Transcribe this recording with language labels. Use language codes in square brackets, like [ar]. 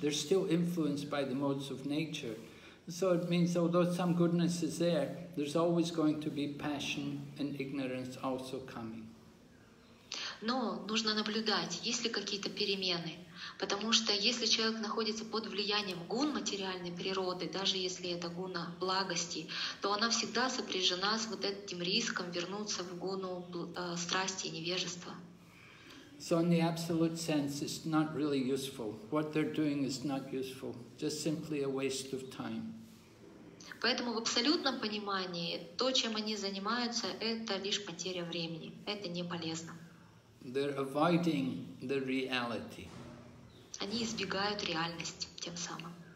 [en] They're still influenced by the modes of nature. So it means although some goodness is there, there's always going to be passion and ignorance also coming. [ru] Но нужно наблюдать, есть ли какие-то перемены. Потому что если человек находится под влиянием гун материальной природы, даже если это гуна благости, то она всегда сопряжена с вот этим риском вернуться в гуну страсти и невежества. [en] So in the absolute sense, it's not really useful. What they're doing is not useful. Just simply a waste of time. [ru] Поэтому в абсолютном понимании то, чем они занимаются, это лишь потеря времени. Это не полезно. [en] They're avoiding the reality. [ru] Они избегают реальности тем самым.